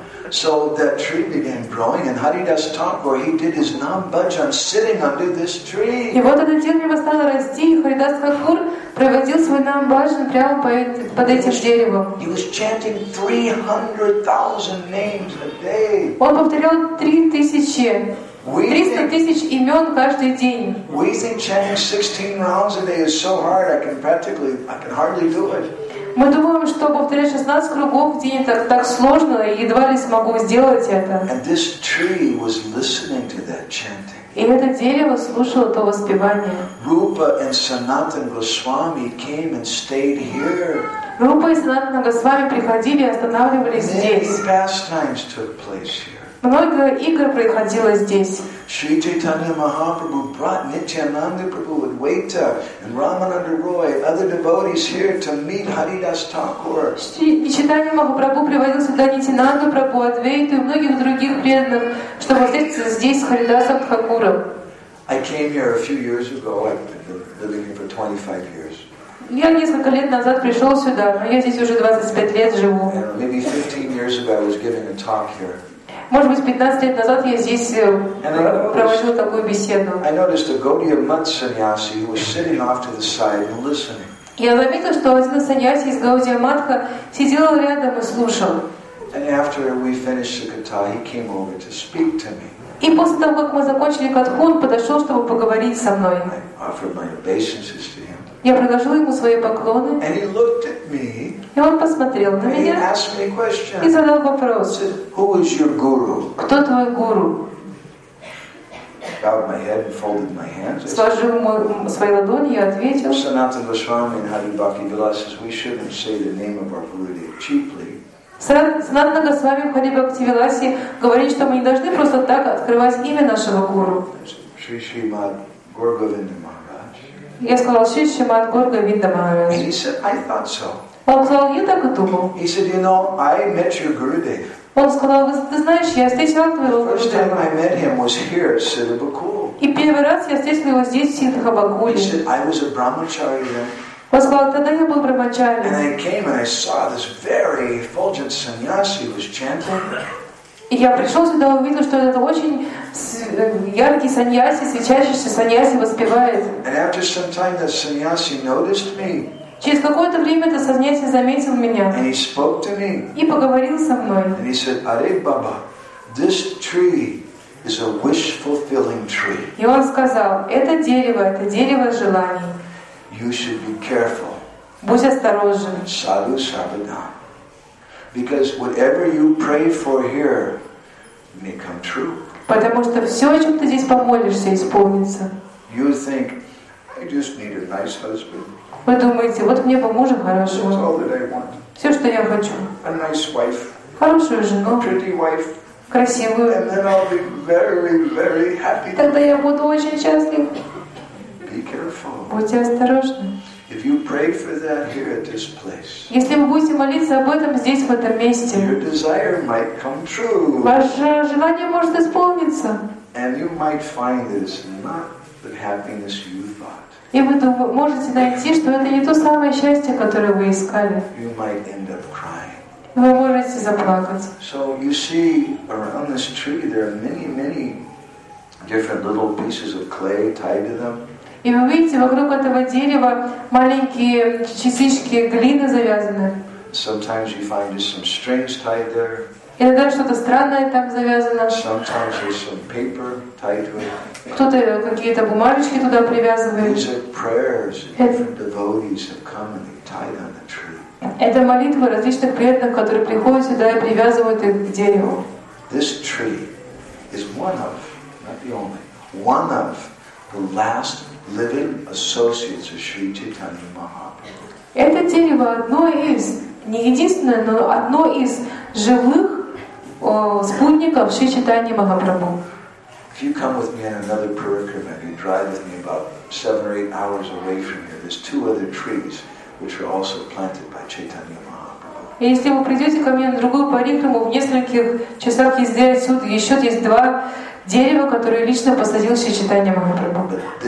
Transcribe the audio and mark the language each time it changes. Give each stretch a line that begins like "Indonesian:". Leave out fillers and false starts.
English: So that tree began growing, and Haridas Thakur, he did his nam bhajan sitting under this tree.
Russian: И вот это дерево стало расти, и Хардас Хакур проводил свой намбажан прямо под этим деревом.
English: He was chanting 300,000 names a day.
Russian: Он повторял 3000. 300 тысяч имен каждый день.
English: We think chanting 16 rounds a day is so hard, I can hardly do it.
Russian: Мы думаем, что повторять 16 кругов в день это так сложно, и едва ли смогу сделать это.
English: And this tree was listening to that chanting.
Russian: И это дерево слушало то воспевание.
English: Rupa and Sanatana Goswami came and stayed here.
Russian: Рупа и Санатана Госвами приходили и останавливались здесь.
English: Many pastimes took place here.
Russian: Много игр происходило здесь.
English: Шри Чайтанья Махапрабху brought Нитьянанда Прабху and Вейта and Рамананда Рой and other devotees here to meet Харидас Такур.
Russian: Шри Чайтанья Махапрабху приводил сюда Нитьянанда Прабху, Адвейту и многих других преданных, чтобы встретиться здесь с Харидасом Такуром.
English: I came here a few years ago. I've been living here for 25 years.
Russian: Я несколько лет назад пришел сюда, но я здесь уже 25 лет живу.
English: And maybe 15 years ago I was giving a talk here.
Russian: Может быть, 15 лет назад я здесь проводил такую беседу.
English: I noticed a Gaudiya Mutt Sannyasi who was sitting off to the side and listening.
Russian: Я заметил, что один саньяси из Гаудия Матха сидел рядом и слушал.
English: And after we finished the katha, he came over to speak to me.
Russian: И после того, как мы закончили катху, он подошел, чтобы поговорить со мной.
English: I offered my obeisances to him.
Russian: Я предложил ему свои поклоны.
English: And he looked at me.
Russian: И он посмотрел на меня.
English: He asked me a question.
Russian: И задал вопрос.
English: He said, "Who is your guru?"
Russian: Кто твой гуру?
English: Bowed my head and folded my hands.
Russian: Сложил свои ладони и ответил.
English: Sanatana Goswami and Hari Bhakti Vilas says we shouldn't say the name of our Gurudev cheaply.
Russian: Sanatana Goswami Hari Bhakti Vilas говорит, что мы не должны просто так открывать имя нашего гуру.
English: Shri Srimad Gurgovinda Maharaj.
Russian: Я сказал, Шри Шримад Гургавинда Махарадж.
English: He said, I thought so.
Russian: Он сказал, я так и думал.
English: He said, you know, I met your Gurudev.
Russian: Он сказал, ты знаешь, я встретил твоего Гурудева.
English: First time I met him was here at Siddhabakul.
Russian: И первый раз я встретил его здесь, в Сиддхабакуле.
English: He said, I was a brahmachari then.
Russian: Он сказал, тогда я был брахмачарием.
English: And I came and I saw this very effulgent sannyasi was chanting.
Russian: И я пришел сюда и увидел, что это очень яркий саньяси, свечащийся саньяси воспевает.
English: And after some time that sannyasi noticed me.
Russian: Через какое-то время этот саньяси заметил меня.
English: And he spoke to me.
Russian: И поговорил со мной.
English: And he said, "Are Baba, this tree is a wish-fulfilling tree."
Russian: И он сказал, это дерево желаний.
English: You should be careful.
Russian: Будь осторожен. Sadhu Sabada.
English: Because whatever you pray for here may come true.
Russian: Потому что все, о чем ты здесь помолишься, исполнится.
English: You think, I just need a nice husband.
Russian: Вы думаете, вот мне бы мужа хорошего.
English: That's all that I want.
Russian: Все, что я хочу.
English: A nice wife.
Russian: Хорошую жену.
English: A pretty wife.
Russian: Красивую.
English: And then I'll be very, very happy.
Russian: Тогда я буду очень счастлив.
English: Be careful.
Russian: Будьте осторожны.
English: If you pray for that here at this place,
Russian: если вы будете молиться об этом здесь, в этом месте,
English: your desire might come true.
Russian: Ваше желание может исполниться.
English: And you might find that it's not the happiness you thought.
Russian: И вы можете найти, что это не то самое счастье, которое вы искали.
English: You might end up crying.
Russian: Вы можете заплакать.
English: So you see, around this tree, there are many, many different little pieces of clay tied to them.
Russian: И вы видите, вокруг этого дерева маленькие частички глины завязаны.
English: Sometimes you find there's some strings tied there.
Russian: Иногда что-то странное там завязано.
English: Sometimes there's some paper tied to it.
Russian: Кто-то какие-то бумажечки туда привязывает.
English: These are prayers different devotees have come and tied on the tree.
Russian: Это молитвы различных преданных, которые приходят сюда и привязывают их к дереву.
English: This tree is one of, not the only, one of the last living associates of Sri Chaitanya Mahaprabhu.
Russian: Это дерево одно из, не единственное, но одно из живых спутников Шри Чайтаньи Махапрабху.
English: If you come with me on another pilgrimage, you drive with me about 7 or 8 hours away from here. There's two other trees which are also planted by Chaitanya Mahaprabhu.
Russian: Если вы придете ко мне на другую парикраму в нескольких часах езды отсюда, еще есть два дерева, которые лично посадил Шри Чайтанья Махапрабху.